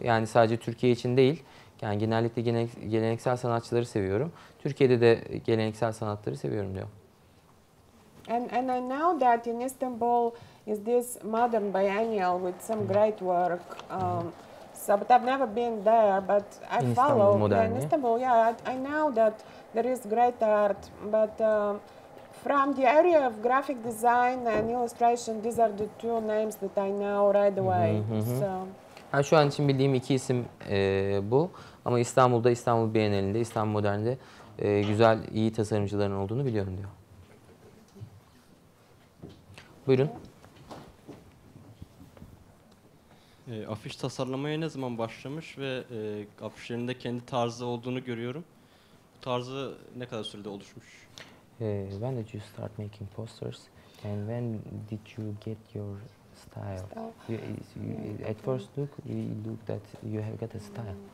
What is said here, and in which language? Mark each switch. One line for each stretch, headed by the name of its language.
Turkish: Yani sadece Türkiye için değil, yani genellikle geleneksel sanatçıları seviyorum. Türkiye'de de geleneksel sanatları seviyorum diyor.
English: And I know that in Istanbul is this modern biennial with some great work. So, but I've never been there, but I in follow. Modern, in Istanbul, yeah, I know that there is great art, but. From the area of graphic design and illustration, these are the two names that I know right away.
Turkish: Hı hı. So. Ha, şu an için bildiğim iki isim bu. Ama İstanbul'da, İstanbul Bienali'nde, İstanbul Modern'de güzel, iyi tasarımcıların olduğunu biliyorum diyor. Buyurun. Afiş tasarlamaya ne zaman başlamış ve afişlerinde kendi tarzı olduğunu görüyorum. Bu tarzı ne kadar sürede oluşmuş?
English: When did you start making posters, and when did you get your style? At first look, you look that you have got a style.